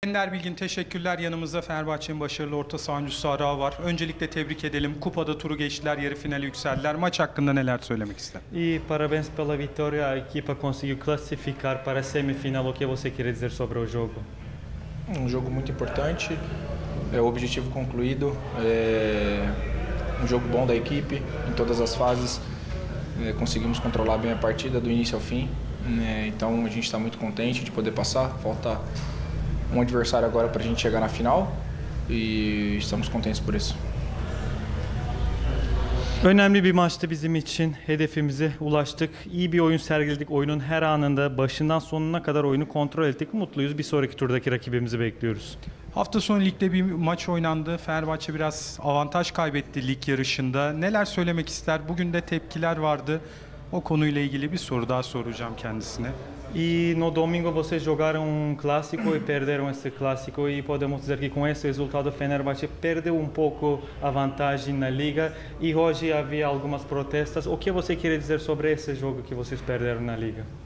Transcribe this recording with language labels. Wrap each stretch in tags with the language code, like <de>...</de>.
<tr>Ender Bilgin, teşekkürler. Yanımızda Fenerbahçe'nin başarılı orta saha oyuncusu Arao var. Öncelikle tebrik edelim. Kupada turu geçtiler, yarı finale yükseldiler. Maç hakkında neler söylemek ister?</tr> <pt>İyi, parabéns pela vitória. A equipa conseguiu classificar para a semifinal. O que você quer dizer sobre o jogo? Jogo muito importante. É o objetivo concluído. É jogo bom da equipe em todas as fases. Conseguimos controlar bem a partida do início ao fim. Então a gente está muito contente de poder passar. Falta adversário agora para a gente chegar na final e estamos contentes por isso.</pt> <tr>Önemli bir maçtı bizim için. Hedefimize ulaştık. İyi bir oyun sergiledik. Oyunun her anında başından sonuna kadar oyunu kontrol ettik. Mutluyuz. Bir sonraki turdaki rakibimizi bekliyoruz. Hafta sonu ligde bir maç oynandı. Fenerbahçe biraz avantaj kaybetti lig yarışında. Neler söylemek ister? Bugün de tepkiler vardı. O konuyla ilgili bir soru daha soracağım kendisine.</tr> <pt>E no domingo vocês jogaram clássico e perderam esse clássico e podemos dizer que com esse resultado Fenerbahçe perdeu pouco a vantagem na liga e hoje havia algumas protestas. O que você quer dizer sobre esse jogo que vocês perderam na liga?</pt>